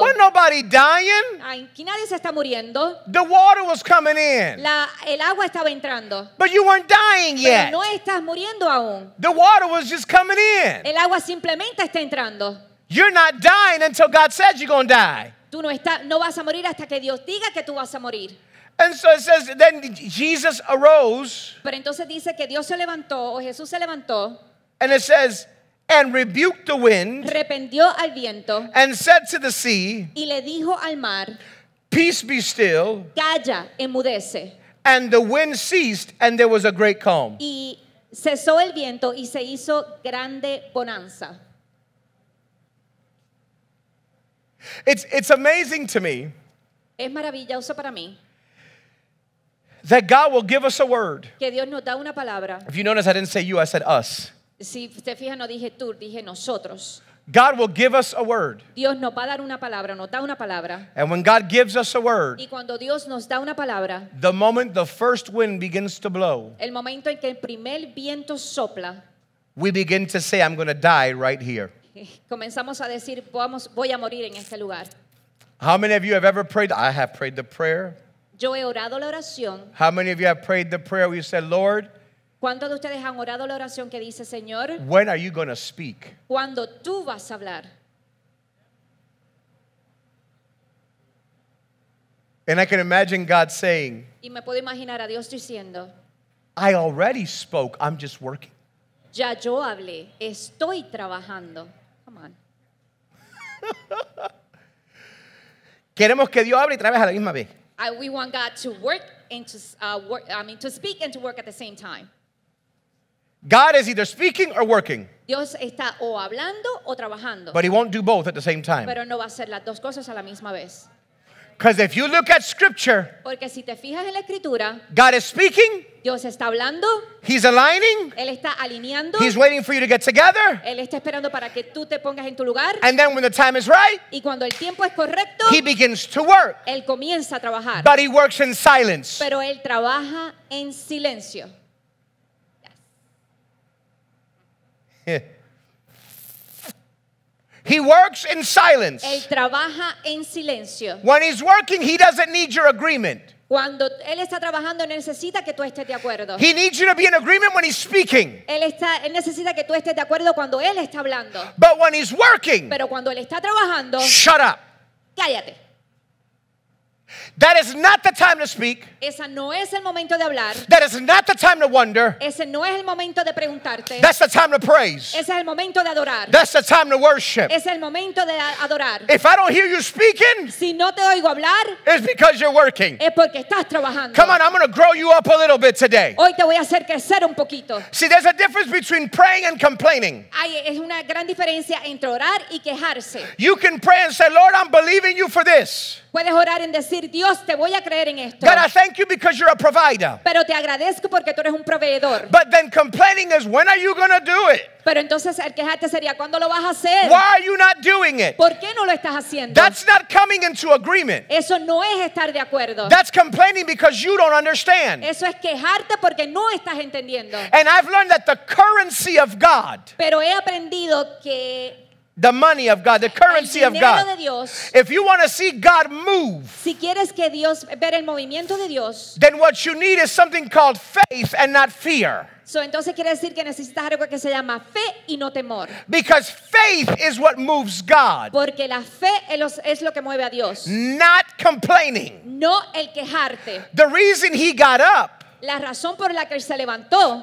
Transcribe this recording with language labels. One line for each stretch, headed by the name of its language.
English: We're nobody dying.
Spanish: Aquí nadie se está muriendo.
English: The water was coming in.
Spanish: El agua estaba entrando.
English: But you weren't dying yet.
Spanish: Pero no estás muriendo aún.
English: The water was just coming in.
Spanish: El agua simplemente está entrando.
English: You're not dying until God says you're going to die.
Spanish: Tú no vas a morir hasta que Dios diga que tú vas a morir.
English: And so it says, then Jesus arose.
Spanish: Pero entonces dice que Dios se levantó, o Jesús se levantó.
English: And it says, and rebuked the wind.
Spanish: Reprendió al viento.
English: And said to the sea.
Spanish: Y le dijo al mar.
English: Peace be still.
Spanish: Calla, enmudece.
English: And the wind ceased, and there was a great calm.
Spanish: Y cesó el viento, y se hizo grande bonanza.
English: It's amazing to me.
Spanish: Es maravilloso para mí.
English: That God will give us a word.
Spanish: Que Dios nos da una palabra.
English: If you notice, I didn't say you, I said us.
Spanish: Si te fijas, no dije tú, dije nosotros.
English: God will give us a word.
Spanish: Dios nos va a dar una palabra, nos da una palabra.
English: And when God gives us a word,
Spanish: y cuando Dios nos da una palabra,
English: the moment the first wind begins to blow,
Spanish: el momento en que el primer viento sopla,
English: we begin to say, I'm going to die right here.
Spanish: Comenzamos a decir, voy a morir en este lugar.
English: How many of you have ever prayed? I have prayed the prayer.
Spanish: Yo he orado la oración.
English: How many of you have prayed the prayer where you said, Lord,
Spanish: ¿cuántos de ustedes han orado la oración que dice, Señor,
English: when are you going to speak?
Spanish: ¿Cuándo tú vas a hablar?
English: And I can imagine God saying,
Spanish: y me puedo imaginar a Dios diciendo,
English: I already spoke, I'm just working.
Spanish: Ya yo hablé, estoy trabajando.
English: Come on.
Spanish: Queremos que Dios hable y trabaje a la misma vez.
English: We want God to work and to work. I mean, to speak and to work at the same time. God is either speaking or working.
Spanish: Dios está o hablando o trabajando.
English: But He won't do both at the same time.
Spanish: Pero no va a hacer las dos cosas a la misma vez.
English: Because if you look at Scripture,
Spanish: porque si te fijas en la escritura,
English: God is speaking.
Spanish: Dios está hablando.
English: He's aligning.
Spanish: Él está alineando.
English: He's waiting for you to get together.
Spanish: Él está esperando para que tú te pongas en tu lugar.
English: And then when the time is right,
Spanish: y cuando el tiempo es correcto,
English: He begins to work.
Spanish: Él comienza a trabajar.
English: But He works in silence.
Spanish: Pero Él trabaja en silencio.
English: He works in silence.
Spanish: Él trabaja en silencio.
English: When he's working, he doesn't need your agreement.
Spanish: Cuando él está trabajando, necesita que tú estés de acuerdo.
English: He needs you to be in agreement when he's speaking.
Spanish: Él necesita que tú estés de acuerdo cuando él está hablando.
English: But when he's working,
Spanish: pero cuando él está trabajando,
English: shut up.
Spanish: Cállate.
English: That is not the time to speak.
Spanish: Esa no es el momento de hablar.
English: That is not the time to wonder.
Spanish: Ese no es el momento de preguntarte.
English: That's the time to praise.
Spanish: Ese es el momento de adorar.
English: That's the time to worship.
Spanish: Ese es el momento de adorar.
English: If I don't hear you speaking,
Spanish: si no te oigo hablar,
English: it's because you're working.
Spanish: Es porque estás trabajando.
English: Come on, I'm going to grow you up a little bit today.
Spanish: Hoy te voy a hacer crecer un poquito.
English: See, there's a difference between praying and complaining.
Spanish: Hay una gran diferencia entre orar y quejarse.
English: You can pray and say, Lord, I'm believing you for this.
Spanish: Puedes orar en decir, Dios, te voy a creer en esto.
English: God, I thank you because you're a provider.
Spanish: Pero te agradezco porque tú eres un proveedor.
English: But then complaining is, when are you going to do it?
Spanish: Pero entonces el quejarte sería, ¿cuándo lo vas a hacer?
English: Why are you not doing it?
Spanish: ¿Por qué no lo estás haciendo?
English: That's not coming into agreement.
Spanish: Eso no es estar de acuerdo.
English: That's complaining because you don't understand.
Spanish: Eso es quejarte porque no estás entendiendo.
English: And I've learned that the currency of God,
Spanish: pero he aprendido que
English: the money of God, the currency of God.
Spanish: De Dios,
English: if you want to see God move,
Spanish: si quieres que Dios ver el movimiento de Dios,
English: then what you need is something called faith and not fear.
Spanish: So, entonces quiere decir que necesitas algo que se llama fe y no temor.
English: Because faith is what moves God.
Spanish: Porque la fe es lo que mueve a Dios.
English: Not complaining.
Spanish: No el quejarte.
English: The reason he got up,
Spanish: la razón por la que él se levantó,